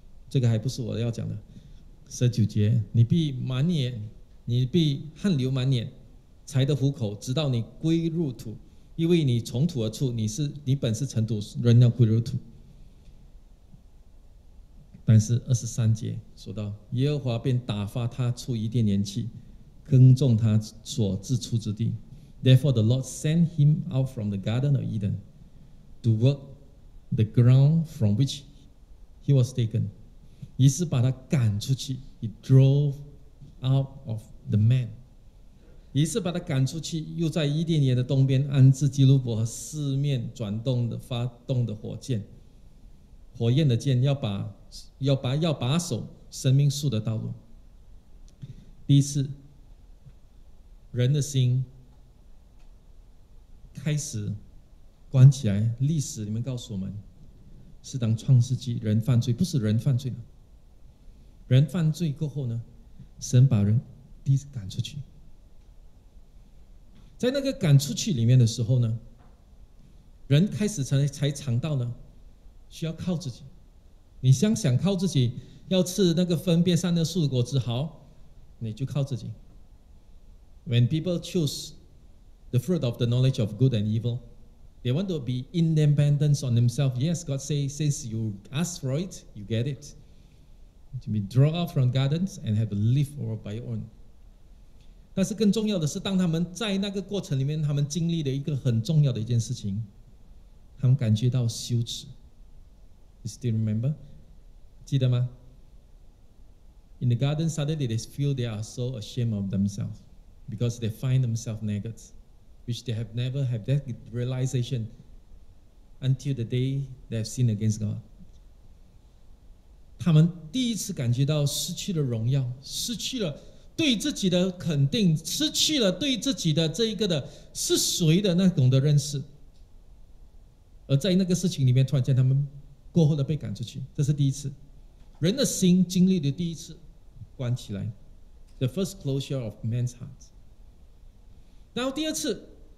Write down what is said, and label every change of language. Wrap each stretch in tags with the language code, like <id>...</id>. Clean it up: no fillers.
<zh>这个还不是我要讲的。十九节，你必满眼，你必汗流满眼，才得糊口，直到你归入土，因为你从土而出，你本是尘土，人要归入土。但是二十三节说到，耶和华便打发他出伊甸园去，耕种他所自出之地。</zh> <en>Therefore the Lord sent him out from the Garden of Eden. To work the ground from which he was taken.</en> <zh>于是把他赶出去</zh> <en>He drove out of the man.</en> <zh>于是把他赶出去又在伊甸园的东边安置基路伯和四面转动的发动的火箭。火焰的箭要把守生命树的道路。第一次人的心开始关起来，历史里面告诉我们，是当创世纪人犯罪，不是人犯罪了。人犯罪过后呢，神把人第一次赶出去。在那个赶出去里面的时候呢，人开始才尝到呢，需要靠自己。你想靠自己要吃那个分辨善恶树的果子，好，你就靠自己。</zh> <en>When people choose the fruit of the knowledge of good and evil. They want to be independent on themselves. Yes, God says, since you ask for it, you get it. To be drawn out from gardens and have to live all by your own.</en> <zh>但是更重要的是，当他们在那个过程里面，他们经历了一个很重要的一件事情，他们感觉到羞耻。</zh> <en>You still remember?</en> <zh>记得吗？</zh> <en>In the garden, suddenly they feel they are so ashamed of themselves because they find themselves naked. Which they have never had that realization until the day they have sinned against God.</en> <zh>他们第一次感觉到失去了荣耀，失去了对自己的肯定，失去了对自己的这一个的是谁的那种的认识。而在那个事情里面，突然间他们过后的被赶出去，这是第一次，人的心经历的第一次关起来 ，</zh> <en>the first closure of man's heart.</en> <zh>然后第二次。</zh>